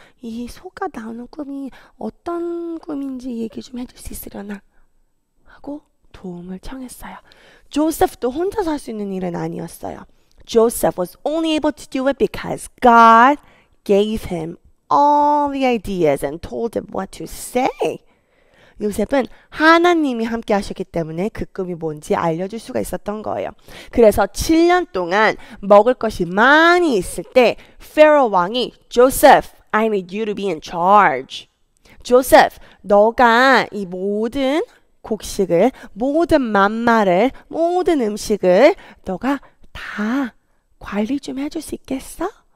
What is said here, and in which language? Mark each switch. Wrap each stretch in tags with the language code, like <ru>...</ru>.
<ko>이 소가 나오는 꿈이 어떤 꿈인지 얘기 좀 해줄 수 있으려나? 하고 도움을 청했어요. 조셉도 혼자 살수 있는 일은 아니었어요.</ko> <en>Joseph was only able to do it because God gave him all the ideas and told him what to say.</en> <ko>요셉은 하나님이 함께 하셨기 때문에 그 꿈이 뭔지 알려줄 수가 있었던 거예요. 그래서 7년 동안 먹을 것이 많이 있을 때, Pharaoh 왕이,</ko> <en>Joseph, I need you to be in charge.</en> <ko>Joseph, 너가 이 모든 곡식을, 모든 맛말을, 모든 음식을, 너가 다 관리 좀 해줄 수 있겠어?</ko>